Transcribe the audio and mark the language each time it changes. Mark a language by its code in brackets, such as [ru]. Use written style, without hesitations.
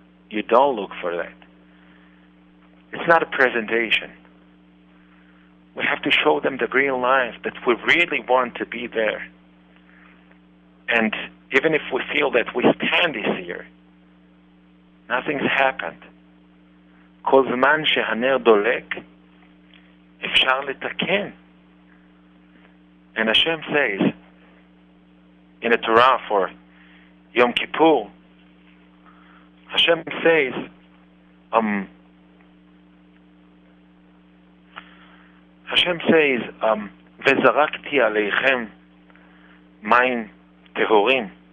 [en] You don't look for that. It's not a presentation. We have to show them the real life, that we really want to be there. And even if we feel that we stand this year, nothing's happened. [he] כל זמן שהנר דולק, אפשר לתקן. [en] And Hashem says, in the Torah for Yom Kippur, Hashem says, [he] וזרקתי עליכם מים טהורים.